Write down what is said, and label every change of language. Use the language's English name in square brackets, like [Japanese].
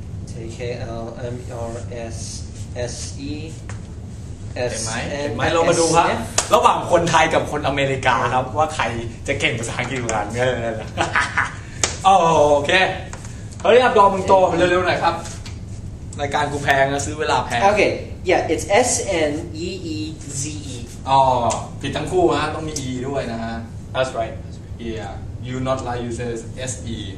[English] T K L M R S S E [Thai] เห็นไหมเรามาดูครับระหว่างคนไทยกับคนอเมริกาครับว่าใครจะเก่งภาษาอังกฤษกันเนี่ยนั่นแหละโอเคเฮ้ยอับดอมมึงโตเร็วๆหน่อยครับรายการกูแพงนะซื้อเวลาแพง [English] โอเค yeah it's S N E E Z E [Thai] อ๋อผิดทั้งคู่ฮะต้องมี E ด้วยนะฮะ [English] that's right yeah you not like you say S E